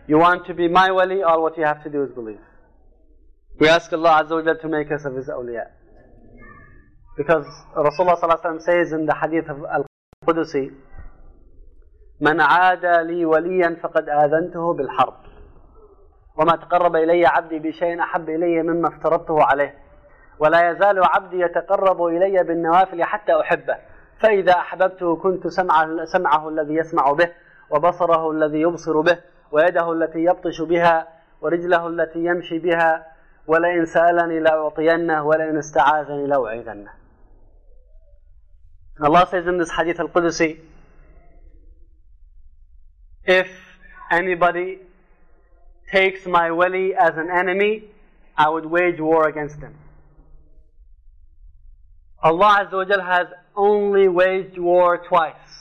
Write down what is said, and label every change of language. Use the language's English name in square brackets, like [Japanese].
[English] You want to be my wali, all what you have to do is believe. We ask Allah Azza wa Jalla to make us of His awliya. Because Rasulullah ﷺ says in the hadith of Al Qudusi, [Arabic] مَنْ عَادَ لِي وَلِيًّا فَقَدْ آذَنْتُهُ بِالْحَرْبِ. وما تقرب إلي عبدي بشيء أحب إلي مما افترضته عليه ولا يزال عبدي يتقرب إلي بالنوافل حتى أحبه فإذا أحببته كنت سمعه الذي يسمع به وبصره الذي يبصر به ويده التي يبطش بها ورجله التي يمشي بها ولئن سألني لأعطينه ولئن استعاذني لأعيذنه. [English] Allah says in this hadith al-Qudsi, if anybody takes my wali as an enemy, I would wage war against him. Allah Azza wa Jalla has only waged war twice.